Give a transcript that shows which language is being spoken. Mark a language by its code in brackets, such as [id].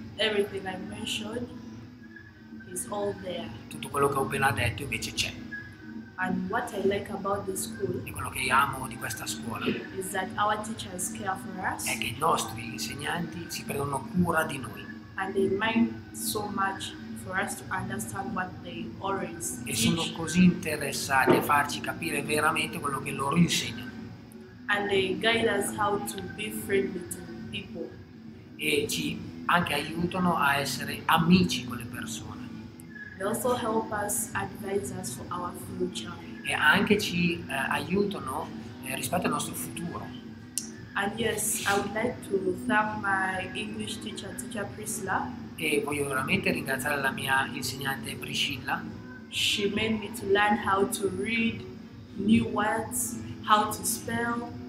[en] everything I mentioned is all there. [it] Tutto quello che ho appena detto invece c'è. [en] And what I like about the school, [it] e quello che amo di questa scuola, [en] is that our teachers care for us, [it] è che i nostri insegnanti si prendono cura di noi. [en] And they mind so much for us to understand what they already teach. [it] E sono così interessati a farci capire veramente quello che loro insegnano. [en] And they guide us how to be friendly to people. [it] E ci anche aiutano a essere amici con le persone. [en] They also help us, advise us for our future. [it] E anche ci aiutano rispetto al nostro futuro. [en] And yes, I would like to thank my English teacher, teacher Priscilla. [it] E voglio veramente ringraziare la mia insegnante Priscilla. [en] She made me to learn how to read new words, how to spell.